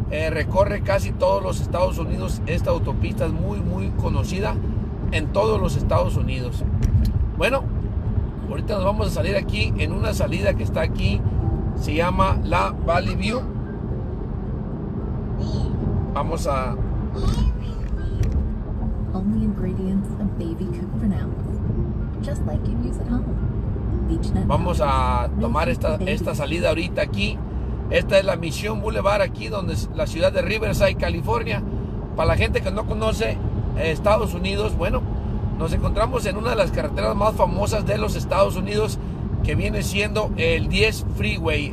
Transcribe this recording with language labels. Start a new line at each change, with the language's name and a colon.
Spanish: Recorre casi todos los Estados Unidos. Esta autopista es muy, muy conocida en todos los Estados Unidos. Bueno, ahorita nos vamos a salir aquí en una salida que está aquí, se llama la Valley View. Vamos a
English: only ingredients a baby could pronounce, just like you use at home.
Spanish: Vamos a tomar esta salida ahorita aquí. Esta es la Mission Boulevard aquí, donde es la ciudad de Riverside, California. Para la gente que no conoce Estados Unidos, bueno, nos encontramos en una de las carreteras más famosas de los Estados Unidos, que viene siendo el 10 Freeway.